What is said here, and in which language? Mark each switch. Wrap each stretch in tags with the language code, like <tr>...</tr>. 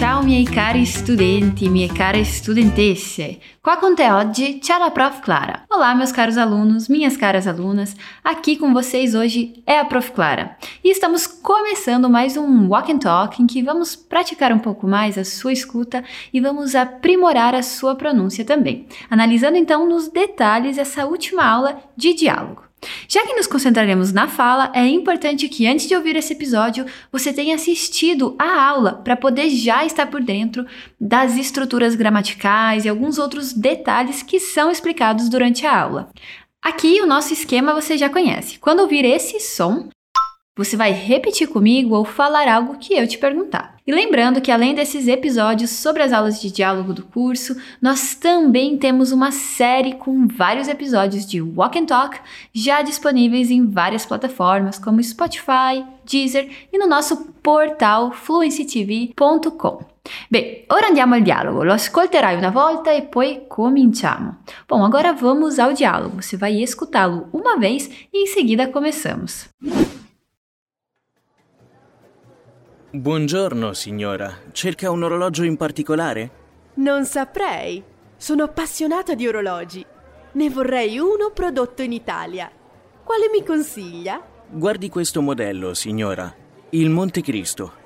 <it>miei cari studenti, mie care studentesse! Qua con te oggi c'è la Prof. Clara.</it> <pt>Olá, meus caros alunos, minhas caras alunas, aqui com vocês hoje é a Prof. Clara. E estamos começando mais um Walk and Talk em que vamos praticar um pouco mais a sua escuta e vamos aprimorar a sua pronúncia também, analisando então nos detalhes essa última aula de diálogo. Já que nos concentraremos na fala, é importante que antes de ouvir esse episódio, você tenha assistido à aula para poder já estar por dentro das estruturas gramaticais e alguns outros detalhes que são explicados durante a aula. Aqui o nosso esquema você já conhece. Quando ouvir esse som, você vai repetir comigo ou falar algo que eu te perguntar. E lembrando que além desses episódios sobre as aulas de diálogo do curso, nós também temos uma série com vários episódios de Walk and Talk já disponíveis em várias plataformas como Spotify, Deezer e no nosso portal fluencytv.com.</pt> <it>Bem, ora andiamo al dialogo. Lo ascolterai una volta e poi cominciamo.</it> <pt>Bom, agora vamos ao diálogo. Você vai escutá-lo uma vez e em seguida começamos.</pt> <it>Buongiorno, signora. Cerca un orologio in particolare? Non saprei. Sono appassionata di orologi. Ne vorrei uno prodotto in Italia. Quale mi consiglia? Guardi questo modello, signora. Il Monte Cristo.</it>